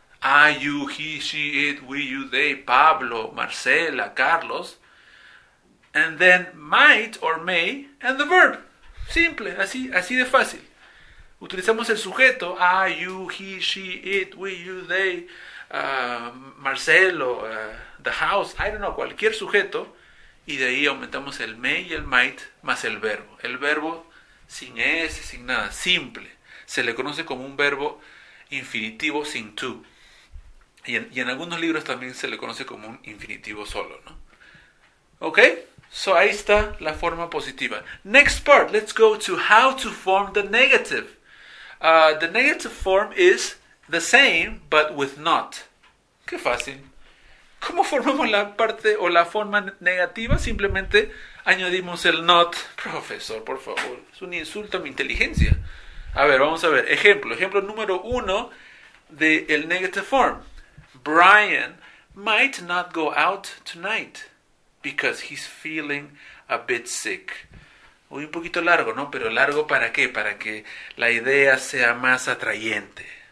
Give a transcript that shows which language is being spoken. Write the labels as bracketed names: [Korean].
[English] I, you, he, she, it, we, you, they, Pablo, Marcela, Carlos. And then might or may and the verb. Simple, [Spanish] así, así de fácil. Utilizamos el sujeto. [English] I, you, he, she, it, we, you, they, Marcelo, the house. I don't know, [Spanish] cualquier sujeto. Y de ahí aumentamos el may y el might más el verbo. El verbo sin S, sin nada, simple. Se le conoce como un verbo infinitivo sin to. Y en algunos libros también se le conoce como un infinitivo solo, ¿no? ¿Ok? So, ahí está la forma positiva. [English] Next part, let's go to how to form the negative. The negative form is the same, but with not. [Spanish] ¡Qué fácil! ¿Cómo formamos la parte o la forma negativa? Simplemente añadimos el not. Profesor, por favor, es un insulto a mi inteligencia. A ver, vamos a ver. Ejemplo número 1 del negative form. [English] Brian might not go out tonight because he's feeling a bit sick. [Spanish] Uy, un poquito largo, ¿no? Pero ¿largo para qué? Para que la idea sea más atrayente.